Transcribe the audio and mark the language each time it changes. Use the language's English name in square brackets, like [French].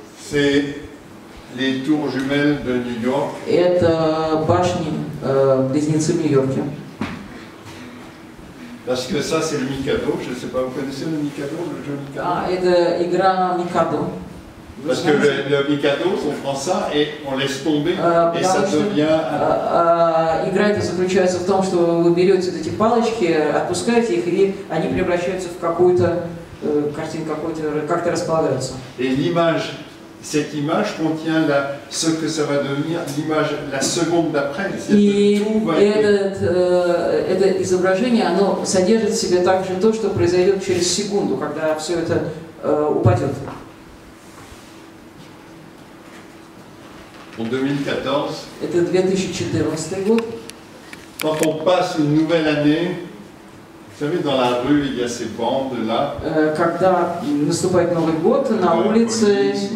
[French] C'est les tours jumelles de New York. [Russian] Это башни близнецы Нью-Йорка. [French] Parce que ça c'est le Mikado, je ne sais pas, vous connaissez le Mikado, le jeu Mikado? [Russian] Ah, это игра Mikado. [French] Parce que le Mikado, on prend ça et on laisse tomber et ça devient. [Russian] Игра это заключается в том, что вы берете вот эти палочки, отпускаете их и они превращаются в какую-то картину, какой-то как-то располагаются. [French] Et l'image. Cette image contient la, ce que ça va devenir l'image la seconde d'après. [Russian] Это изображение, оно содержит в себе также то, что произойдет через секунду, когда все это упадет. [French] En 2014. [Russian] Это 2014 год. [French] Quand on passe une nouvelle année, vous savez, dans la rue, il y a ces bandes là. [Russian] Когда наступает Новый год, на улице.